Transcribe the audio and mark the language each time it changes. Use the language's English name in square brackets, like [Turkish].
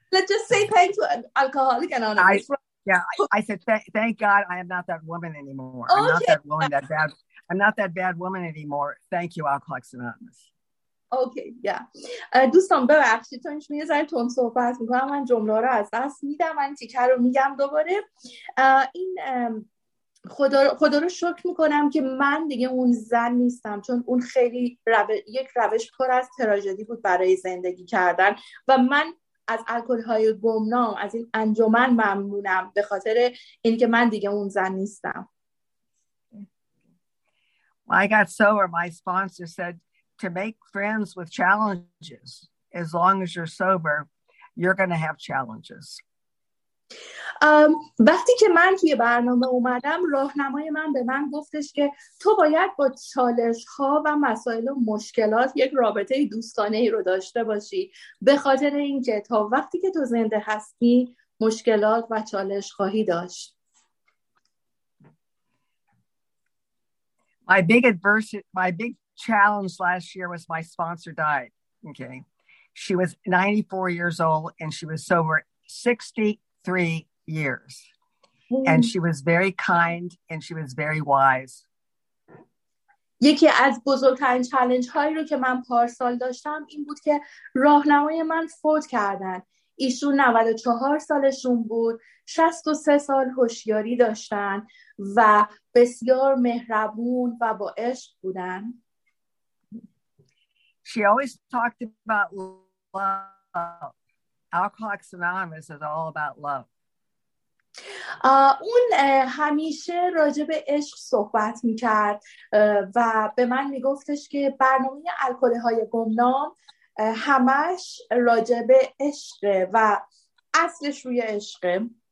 [English] Let's just say thank you, Alcoholic Anonymous. I said, thank God I am not that woman anymore. Okay. I'm not that bad woman anymore. Thank you, Alcoholics Anonymous. Okay, yeah. [Persian] دوستان ببخشید چون شما یه ذره تون صحبت میکنم، من جمله رو از دست میدم، من تیکر رو میگم دوباره. این خدا رو شکر میکنم که من دیگه اون زن نیستم، چون اون خیلی یک روش پر از تراژدی بود برای زندگی کردن و من از الکل‌های گمنام، از این انجمن ممنونم به خاطر اینکه من دیگه اون زن نیستم. [English] I got sober. My sponsor said to make friends with challenges. As long as you're sober, you're going to have challenges. [Persian] وقتی که من توی برنامه اومدم، راهنمای من به من گفتش که تو باید با چالش‌ها و مسائل و مشکلات یک رابطه دوستانه‌ای رو داشته باشی، به خاطر اینکه تا وقتی که تو زنده هستی، مشکلات و چالش خواهی داشت. [English] My big challenge last year was my sponsor died. Okay. She was 94 years old and she was sober 63 years, and she was very kind and she was very wise. [Persian] یکی از بزرگترین چالش هایی رو که من پارسال داشتم این بود که راهنمای من فوت کردن. ایشون 94 سالشون بود، 63 سال هوشیاری داشتن و بسیار مهربون و با عشق بودن. [English] She always talked about love. Alcoholics Anonymous is all about love. [Persian] اون همیشه راجع به عشق صحبت میکرد و به من میگفتش که برنامه الکل‌های گمنام همش راجع به عشقه و اصلش روی عشقه.